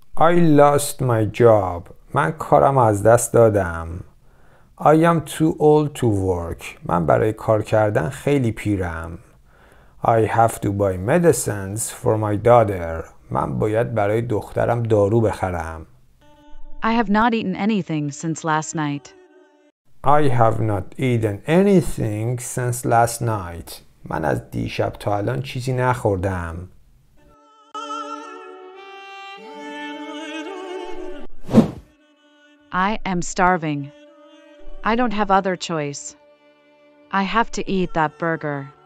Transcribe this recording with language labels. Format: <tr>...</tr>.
<en>I lost my job.</en> <fa>من کارم از دست دادم.</fa> <en>I am too old to work.</en> <fa>من برای کار کردن خیلی پیرم.</fa> <en>I have to buy medicines for my daughter.</en> <fa>من باید برای دخترم دارو بخرم.</fa> <en>I have not eaten anything since last night. I have not eaten anything since last night.</en> <fa>من از دیشب تا الان چیزی نخوردم.</fa> <en>I am starving. I don't have other choice. I have to eat that burger.</en>